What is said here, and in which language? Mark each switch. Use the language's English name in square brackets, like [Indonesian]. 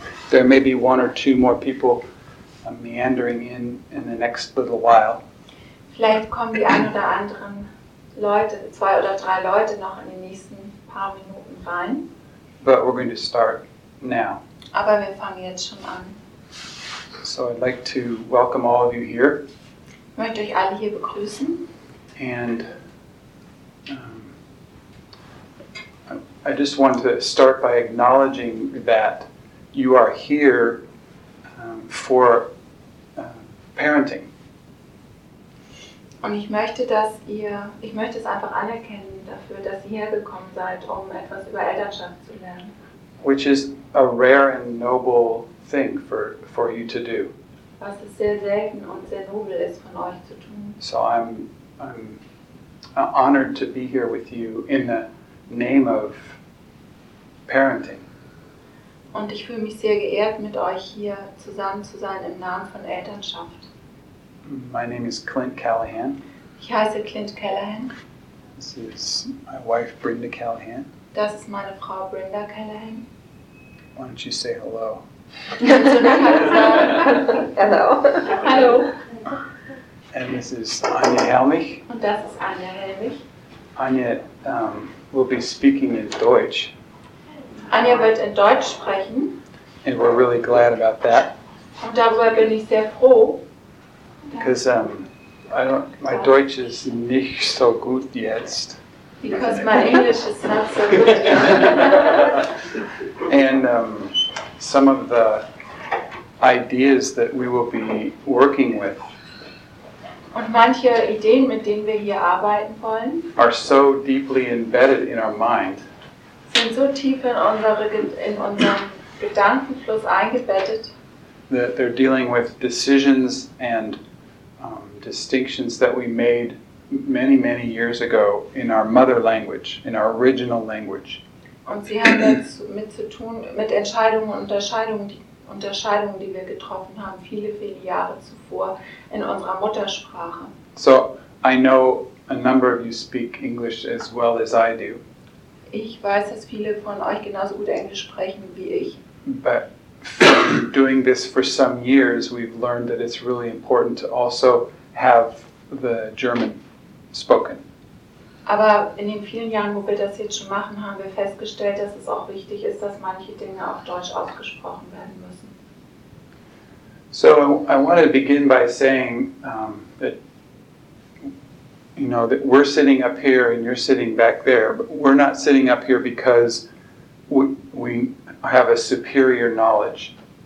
[English] There may be one or two more people meandering in the next little while. [German] Vielleicht kommen die ein oder anderen Leute, zwei oder drei Leute noch in den nächsten paar Minuten rein. [English] But we're going to start now. [German] Aber wir fangen jetzt schon an. [English] So I'd like to welcome all of you here. [German] Ich möchte euch alle hier begrüßen. [English] And I just want to start by acknowledging that you are here for parenting. [German] Und ich möchte es einfach anerkennen dafür, dass ihr hergekommen seid, um etwas über Elternschaft zu lernen. [English] Which is a rare and noble thing for you to do. [German] Was es sehr selten und sehr nobel ist von euch zu tun. [English] So I'm honored to be here with you in the name of parenting. [German] Und ich fühle mich sehr geehrt, mit euch hier zusammen zu sein im Namen von Elternschaft. [English] My name is Clint Callahan. [German] Ich heiße Clint Callahan. [English] This is my wife Brenda Callahan. [German] Das ist meine Frau Brenda Callahan. [English] Why don't you say hello? Hello. Hello. And this is Anja Helmich. [German] Und das ist Anja Helmich. [English] Anja will be speaking in Deutsch. [German] Anja wird in Deutsch sprechen. [English] And we're really glad about that. [German] Und darüber bin ich sehr froh. [English] Because my Deutsch is [German] nicht so gut jetzt. [English] Because my English is not so good. And some of the ideas that we will be working with. [German] Und manche Ideen, mit denen wir hier arbeiten wollen, [English] are so deeply embedded in our mind. [German] Sind so tief in unserem Gedankenfluss eingebettet. [English] That they're dealing with decisions and distinctions that we made many, many years ago in our mother language, in our original language. [German] Und sie haben jetzt mit zu tun mit Entscheidungen und Unterscheidungen, die wir getroffen haben, viele, viele Jahre zuvor in unserer Muttersprache. [English] So, I know a number of you speak English as well as I do. [German] Ich weiß, dass viele von euch genauso gut Englisch sprechen wie ich. [English] But from doing this for some years, we've learned that it's really important to also have the German spoken. [German] Aber in den vielen Jahren, wo wir das jetzt schon machen, haben wir festgestellt, dass es auch wichtig ist, dass manche Dinge auf Deutsch ausgesprochen werden müssen. [English] So I want to begin by saying that, you know, that we're sitting up here and you're sitting back there, but we're not sitting up here because we have a superior knowledge.